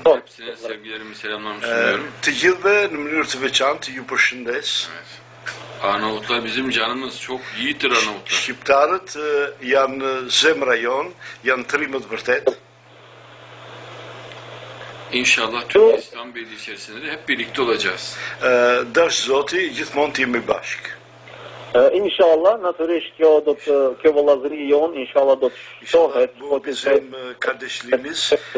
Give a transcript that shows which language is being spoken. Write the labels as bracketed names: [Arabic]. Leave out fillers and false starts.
[Turkish] Hepsine sevgilerimi, selamlarımı sunuyorum. [Albanian] Të gjithve në mënyrë të veçantë ju përshëndes. [Turkish] Evet. Arnavutlar bizim canımız, çok yiğittir Arnavutlar. [Albanian] Şiptarët janë zemra jonë, janë trimët vërtet. [Turkish] İnşallah Türkistan Birliği içerisinde de hep birlikte olacağız. [Albanian] Dash zoti, gjithmonë të jemi bashk. İnşallah, natyrisht kjo do të, kjo vëllazëri jonë, inshallah do të shohet. [Turkish] Bu bizim kardeşliğimiz